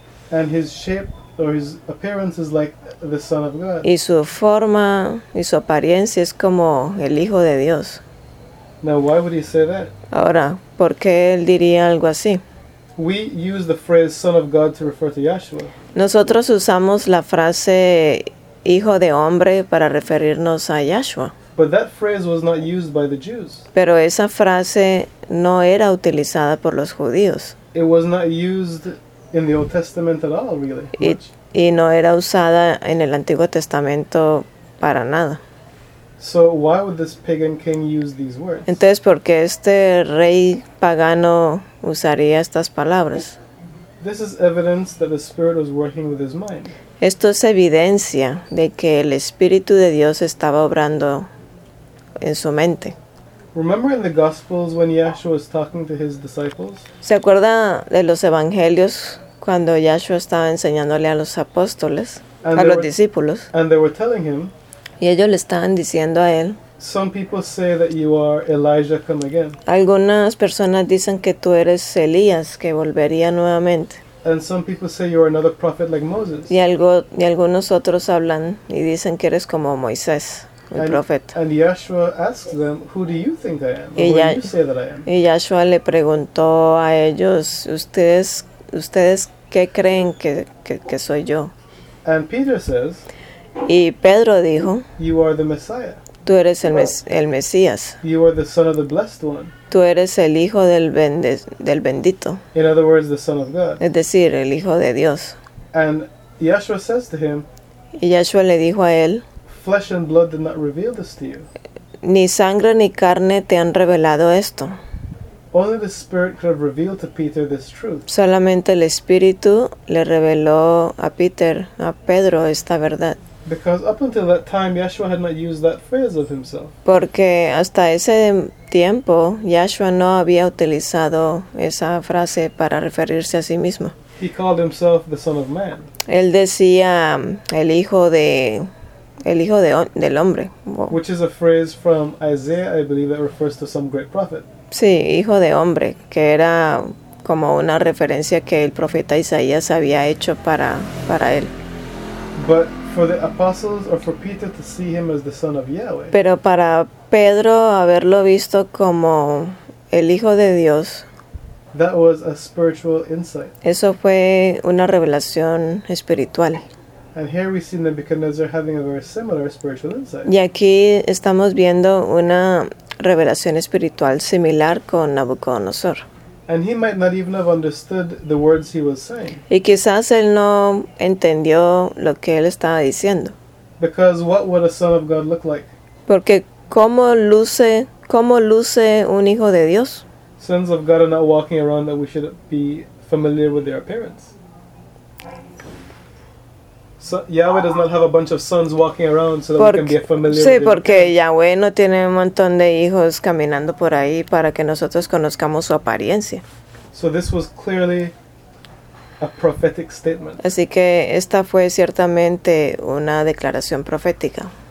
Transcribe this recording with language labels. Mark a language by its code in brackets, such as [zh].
[en] And his shape or his appearance is like the Son of God. [es] Y su forma y su apariencia es como el Hijo de Dios. [en] Now, why would he say that? [es] Ahora, ¿por qué él diría algo así? [en] We use the phrase Son of God to refer to Yahshua. [es] Nosotros usamos la frase Hijo de Hombre para referirnos a Yahshua. [en] But that phrase was not used by the Jews. [es] Pero esa frase no era utilizada por los judíos. [en] It was not used in the Old Testament at all, really. [es] Y no era usada en el Antiguo Testamento para nada. [en] So why would this pagan king use these words? [es] Entonces, ¿por qué este rey pagano usaría estas palabras? [en] This is evidence that the Spirit was working with his mind. [es] Esto es evidencia de que el Espíritu de Dios estaba obrando en su mente. [en] Remember in the Gospels when Yahshua was talking to his disciples? [es] ¿Se acuerda de los Evangelios cuando Yahshua estaba enseñándole a los apóstoles, discípulos? [en] And they were telling him. [es] Y ellos le estaban diciendo a él. [en] Some people say that you are Elijah come again. [es] Algunas personas dicen que tú eres Elías que volvería nuevamente. [en] And some people say you are another prophet like Moses. [es] Y algunos otros hablan y dicen que eres como Moisés, el profeta. [en] And Yahshua asks them, "Who do you think I am? Who do you say that I am?" [es] Y Yahshua le preguntó a ellos, ¿ustedes qué creen que soy yo? [en] And Peter says, [es] y Pedro dijo, [en] "You are the Messiah." [es] Tú eres el Mesías. [en] You are the son of the blessed one. [es] Tú eres el hijo del bendito. [en] In other words, the son of God. [es] Es decir, el hijo de Dios. [en] And Yahshua says to him, [es] y Yahshua le dijo a él, [en] flesh and blood did not reveal this to you. [es] Ni sangre ni carne te han revelado esto. [en] Only the Spirit could have revealed to Peter this truth. [es] Solamente el Espíritu le reveló a Pedro esta verdad. [en] Because up until that time, Yahshua had not used that phrase of himself. [es] Porque hasta ese tiempo, Yahshua no había utilizado esa frase para referirse a sí mismo. [en] He called himself the Son of Man. [es] Él decía el hijo del hombre. [en] Which is a phrase from Isaiah, I believe, that refers to some great prophet. [es] Sí, hijo de hombre, que era como una referencia que el profeta Isaías había hecho para él. [en] But for the apostles or for Peter to see him as the son of Yahweh. [es] Pero para Pedro haberlo visto como el hijo de Dios. [en] That was a spiritual insight. [es] Eso fue una revelación espiritual. [en] And here we see Nebuchadnezzar having a very similar spiritual insight. [es] Y aquí estamos viendo una revelación espiritual similar con Nabucodonosor. [en] And he might not even have understood the words he was saying. [es] Y quizás él no entendió lo que él estaba diciendo. [en] Because what would a son of God look like? [es] Porque cómo luce un hijo de Dios? [en] Sons of God are not walking around that we should be familiar with their appearance. So Yahweh does not have a bunch of sons walking around so that [es] porque, [en] we can be familiar. [es] Sí, [en] with their [es] porque Yahweh no tiene un montón de hijos caminando por ahí para que nosotros conozcamos su apariencia. [en] So this was clearly a prophetic statement. [es] Así que esta fue ciertamente una declaración profética.